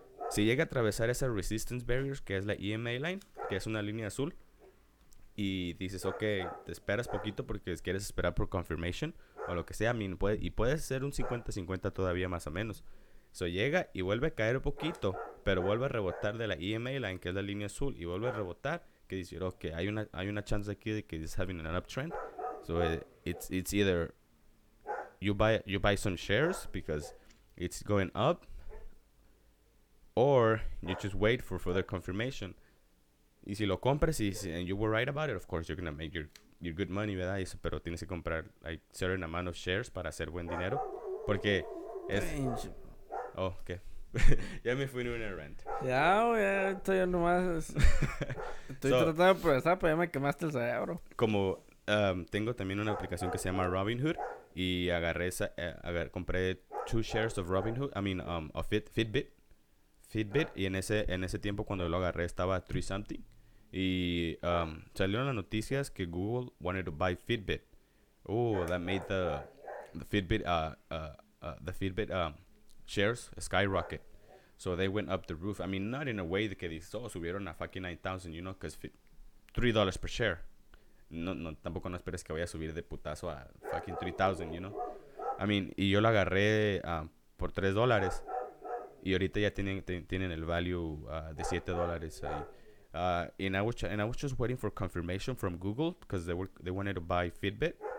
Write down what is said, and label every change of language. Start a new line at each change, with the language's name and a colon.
Spanish: Si llega a atravesar esa
English: resistance barrier,
Spanish: que es la EMA line, que es una línea azul, y dices, ok, te esperas poquito porque quieres esperar por confirmation o lo que sea, y puede ser un 50-50 todavía más o menos. So llega y vuelve a caer un poquito, pero vuelve a rebotar de la EMA line, que es la línea azul, y vuelve a rebotar, que dice, ok, hay una chance aquí de que
English: it's having an uptrend. So it's either you buy some shares because it's going up, or you just wait for further confirmation.
Spanish: Y si lo compras
English: and you were right about it, of course you're going to make your good money,
Spanish: ¿verdad? Eso, pero tienes que comprar
English: a certain amount of shares
Spanish: para hacer buen dinero, porque es... Change. Oh, ¿qué? Okay. Ya me fui en una rant. Ya, güey, estoy nomás... Estoy tratando de progresar, pero ya me quemaste el cerebro. Como tengo también una aplicación que se llama Robinhood, y agarré esa... compré
English: 2 shares of Robinhood, of Fitbit.
Spanish: Fitbit, y en ese tiempo cuando lo agarré estaba 3-something. Y salieron las noticias que Google
English: wanted to buy Fitbit. Oh, that made the Fitbit shares skyrocket. So they went up the roof. I mean, not in a way that they saw,
Spanish: subieron a
English: fucking 9,000, you know, because $3 per share.
Spanish: No, tampoco no esperes que vaya a subir de putazo a fucking 3,000,
English: you know. I mean,
Spanish: y yo lo agarré por $3. Y ahorita ya tienen el value de $7 ahí.
English: And I was just waiting for confirmation from Google because they wanted to buy Fitbit.